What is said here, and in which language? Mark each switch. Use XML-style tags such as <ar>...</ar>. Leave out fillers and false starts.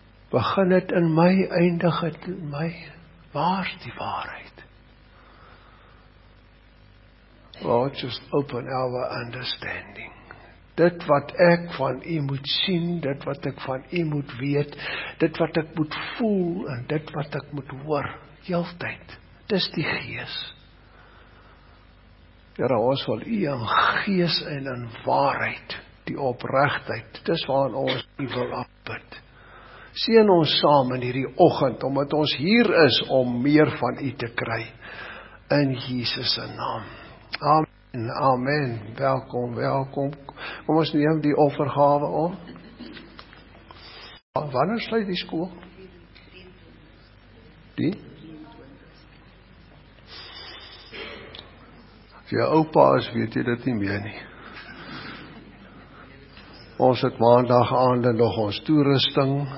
<af>Begin het in my, eindig het in my. Waar is die waarheid?</af> <en>Lord, just open our understanding.</en> <af>Dit wat ek van u moet sien, dit wat ek van u moet weet, dit wat ek moet voel en dit wat ek moet hoor, heeltyd, dis die gees. Here, ons wil u in gees en in waarheid, die opregtheid, dis waarin ons u wil aanbid. Seën ons saam in hierdie oggend, omdat ons hier is om meer van u te kry, in Jesus se naam. Amen, amen, welkom, welkom. Kom ons neem die offergawe op. Wanneer sluit die skool? Die? As jy oupa is, weet jy dit nie meer nie. Ons het maandag aande nog ons toerusting.</af>